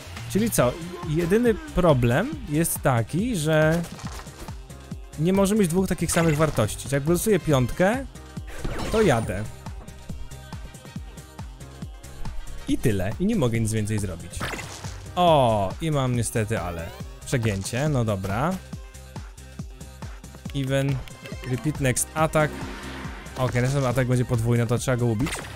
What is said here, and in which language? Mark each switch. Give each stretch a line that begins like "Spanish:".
Polish: Czyli co, jedyny problem jest taki, że nie może mieć dwóch takich samych wartości. Jak wylosuję piątkę, to jadę. I tyle. I nie mogę nic więcej zrobić. O, i mam niestety, ale przegięcie. No dobra.
English: Even, repeat next attack.
Polish: Ok, następny atak będzie podwójny, to trzeba go ubić.